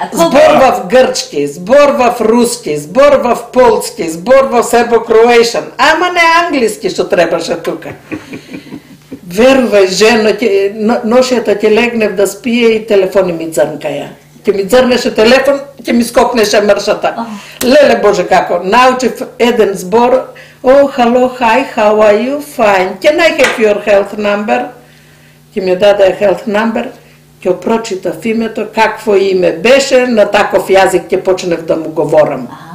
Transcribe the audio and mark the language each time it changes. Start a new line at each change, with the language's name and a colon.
Macedonian: Зборвав грчки, зборвав руски, зборвав полски, зборвав сербо-кроешен, ама не англиски, што требаше тука. Верувај, жено, ношијата ќе легнев да спие и телефони ми дзрнкаја. Ќе ми дзрнеше телефон, ќе ми скокнеше мршата. Леле, Боже, како, научив еден збор.
English: О, хало, хай, how are you, fine, can I have your health number?
Macedonian: Ќе ми даде health number, ќе прочитав името, какво име беше, на таков јазик ќе почнев да му говорам.